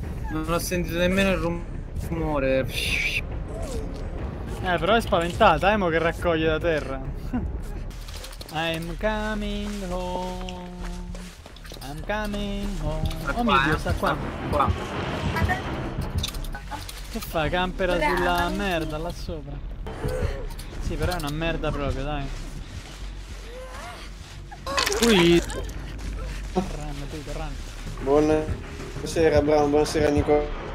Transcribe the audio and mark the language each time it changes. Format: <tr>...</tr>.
<it>Non ho sentito nemmeno il rumore. Però è spaventata, mo che raccoglie da terra.</it> <en>I'm coming home. I'm coming home.</en> <it>Oh mio Dio, sta qua. Che fa? Campera sulla merda là sopra. Sì, però è una merda proprio, dai. Qui</it> <en>run.</en> <it>Buonasera Brown, buonasera Nico.</it>